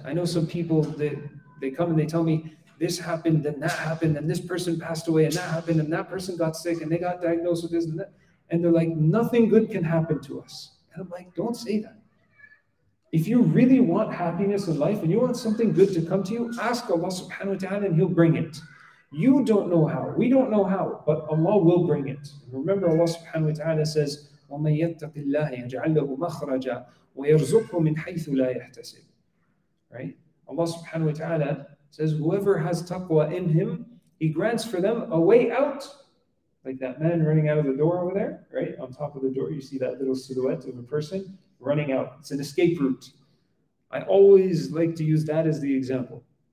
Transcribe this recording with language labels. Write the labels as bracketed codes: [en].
[en] I know some people that they come and they tell me, this happened, then that happened, then this person passed away, and that happened, and that person got sick, and they got diagnosed with this and that. And they're like, nothing good can happen to us. And I'm like, don't say that. If you really want happiness in life, and you want something good to come to you, ask Allah subhanahu wa ta'ala, and He'll bring it. You don't know how, we don't know how, but Allah will bring it. Remember, Allah subhanahu wa ta'ala says, [ar] وَمَن يَتَّقِ اللَّهِ يَجْعَلْ لَهُ مَخْرَجًا وَيَرْزُقْهُ مِنْ حَيْثُ لَا يَحْتَسِبُ. [en] Right? Allah subhanahu wa ta'ala says, whoever has taqwa in him, He grants for them a way out. Like that man running out of the door over there, right? On top of the door, you see that little silhouette of a person running out. It's an escape route. I always like to use that as the example.